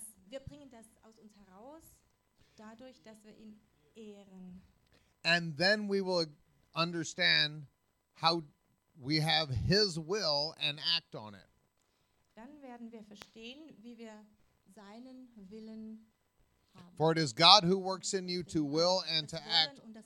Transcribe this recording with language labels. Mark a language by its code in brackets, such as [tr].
[de] Wir bringen das aus uns heraus, dadurch, dass wir ihn ehren. [en] And then we will understand how we have his will and act on it. [de] Dann werden wir verstehen, wie wir seinen Willen. [en] For it is God who works in you to will and to act.